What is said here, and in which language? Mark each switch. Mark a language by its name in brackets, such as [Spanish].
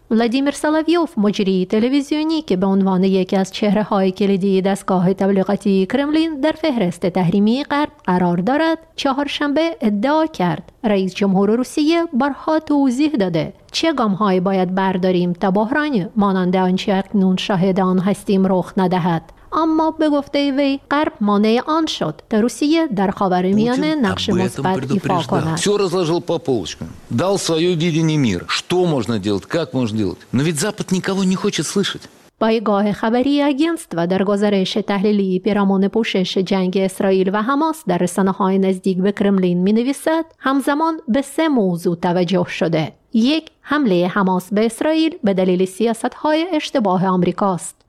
[Persian] ولادیمیر سالویوف، مجری تلویزیونی که به عنوان یکی از چهره‌های کلیدی دستگاه تبلیغاتی کرملین در فهرست تحریمی غرب قرار دارد، چهارشنبه ادعا کرد رئیس جمهور روسیه بارها توضیح داده چه گام‌هایی باید برداریم تا بحران مانند آنچه اکنون شاهد آن هستیم رخ ندهد. اما به گفته وی غرب مانع آن شد تا روسیه در خاورمیانه نقش مثبت ایفا کند. [Russian] Все разложил по полочкам. Дал своё видение мира. Что можно делать, как можно делать. Но ведь Запад никого не хочет слышать. [Persian] پایگاه خبری اجنست و در گزارش تحلیلی پیرامون پوشش جنگ اسرائیل و حماس در رسانه‌های نزدیک به کرملین می‌نویسد همزمان به سه موضوع توجه شده. یک، حمله حماس به اسرائیل به دلیل سیاست‌های اشتباه آمریکاست.